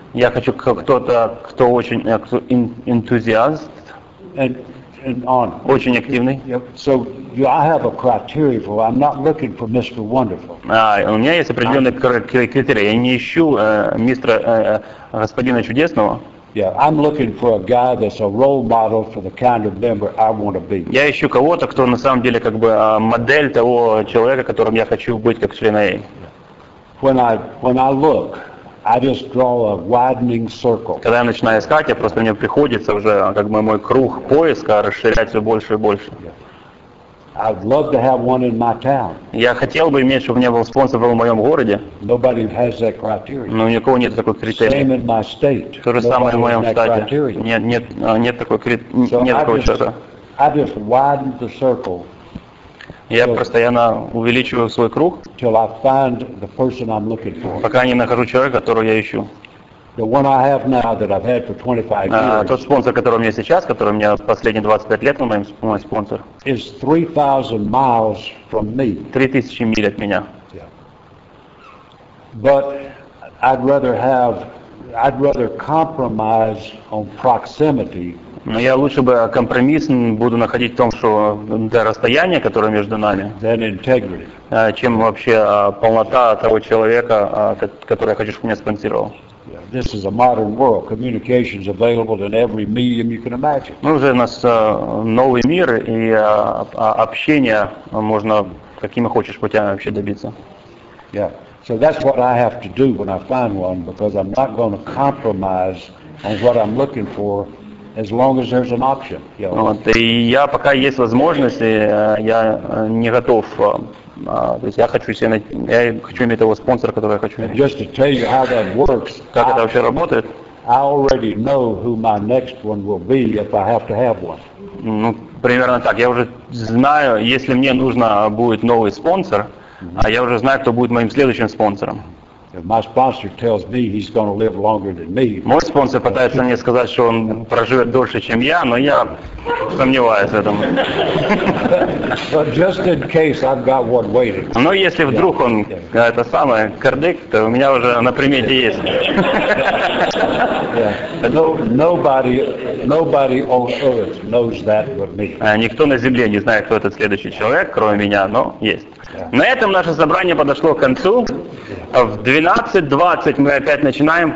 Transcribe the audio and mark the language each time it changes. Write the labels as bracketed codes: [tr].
[ru] Я хочу кто-то, кто очень энтузиаст. [en] And on. [ru] Очень активный. [en] Yep. So you, I have a criteria for. I'm not looking for Mr. Wonderful. [ru] У меня есть определенный критерий. Я не ищу мистера господина чудесного. [en] Yeah, I'm looking for a guy that's a role model for the kind of member I want to be. [ru] Я ищу кого-то, кто на самом деле как бы модель того человека, которым я хочу быть как член АА. [en] When I look, I just draw a widening circle. [ru] Когда я начинаю искать, я просто мне приходится уже как бы мой круг поиска расширять все больше и больше. [en] I'd love to have one in my town. [ru] Я хотел бы иметь, чтобы у меня был спонсор в моем городе. [en] Nobody has that criteria. [ru] Но у никого нет такого критерия. [en] Same in my state. [ru] То же самое в моем штате. Нет такого критерия. Нет такого черта. [en] I just widen the circle. [ru] Я постоянно увеличиваю свой круг, пока не нахожу человека, которого я ищу. Тот спонсор, который у меня сейчас, который у меня последние 25 лет, он мой спонсор, 3000 миль от меня. [en] But I'd rather compromise on proximity. [ru] Но я лучше бы компромисс буду находить в том, что для расстояния, которое между нами, чем вообще полнота того человека, который я хочу, чтобы меня спонсировал. [en] This is a modern world. Communication is available in every medium you can imagine. [ru] Ну, уже у нас новый мир, и общение можно какими хочешь путями вообще добиться. [en] Yeah. So that's what I have to do when I find one, because I'm not going to compromise on what I'm looking for. As long as there's an option. [ru] Вот, и я пока есть возможность, я не готов. То есть я хочу иметь того спонсора, которого я хочу иметь. [en] Just to tell you how that works. [ru] Как это вообще работает? [en] I already know who my next one will be if I have to have one. [ru] Ну, примерно так. Я уже знаю, если мне нужно будет новый спонсор, а я уже знаю, кто будет моим следующим спонсором. [en] My sponsor tells me he's going to live longer than me. [ru] Мой спонсор пытается мне сказать, что он проживет дольше, чем я, но я сомневаюсь в этом. [en] But just in case, I've got one waiting. [ru] Но если вдруг он это самое кардык, то у меня уже на примете есть. [en] Nobody on earth knows that but me. [ru] Никто на земле не знает, кто этот следующий человек, кроме меня, но есть. На этом наше собрание подошло к концу. В 12:20 мы опять начинаем.